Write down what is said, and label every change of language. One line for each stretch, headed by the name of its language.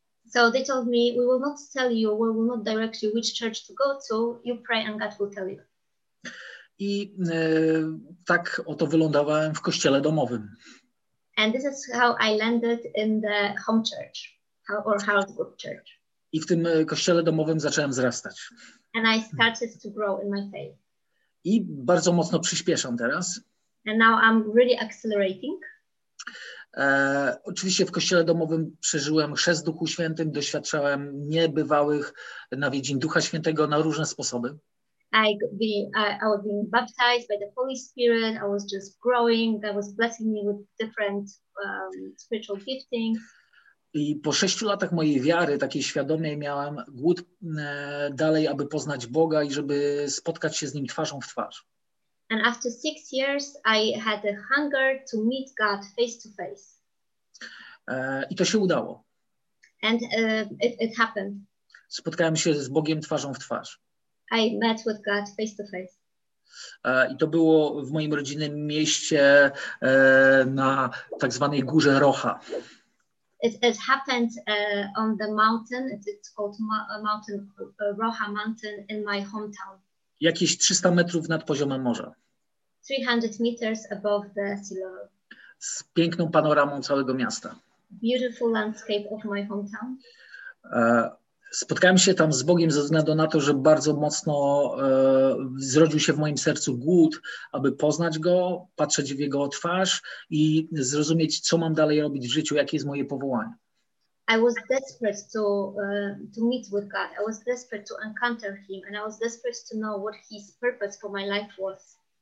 English: So they told me, we will not tell you, we will not direct you which church to go to, you pray and God will tell you.
Polish: I tak oto wylądowałem w kościele domowym.
English: And this is how I landed in the home church, or house group church.
Polish: I w tym kościele domowym zacząłem wzrastać.
English: And I started to grow in my faith.
Polish: I bardzo mocno przyspieszam teraz.
English: And now I'm really accelerating.
Polish: Oczywiście w kościele domowym przeżyłem chrzest w Duchu Świętym, doświadczałem niebywałych nawiedzin Ducha Świętego na różne sposoby.
English: I was being baptized by the Holy Spirit. I was just growing. God was blessing me with different spiritual giftings.
Polish: I po 6 latach mojej wiary, takiej świadomej, miałem głód dalej, aby poznać Boga i żeby spotkać się z Nim twarzą w twarz.
English: And after 6 years, I had a hunger to meet God face to face.
Polish: I to się udało.
English: And it happened.
Polish: Spotkałem się z Bogiem twarzą w twarz.
English: I met with God face to face.
Polish: I to było w moim rodzinnym mieście na tak zwanej górze Rocha.
English: It happened on the mountain. It's called mountain Rocha Mountain in my hometown.
Polish: Jakieś 300 metrów nad poziomem morza.
English: 300 meters above the sea level.
Polish: Z piękną panoramą całego miasta.
English: Beautiful landscape of my hometown.
Polish: Spotkałem się tam z Bogiem ze względu na to, że bardzo mocno zrodził się w moim sercu głód, aby poznać Go, patrzeć w Jego twarz i zrozumieć, co mam dalej robić w życiu, jakie jest moje powołanie.
English: I was desperate to meet with God. I was desperate to encounter Him and I was desperate to know what His purpose for my life was.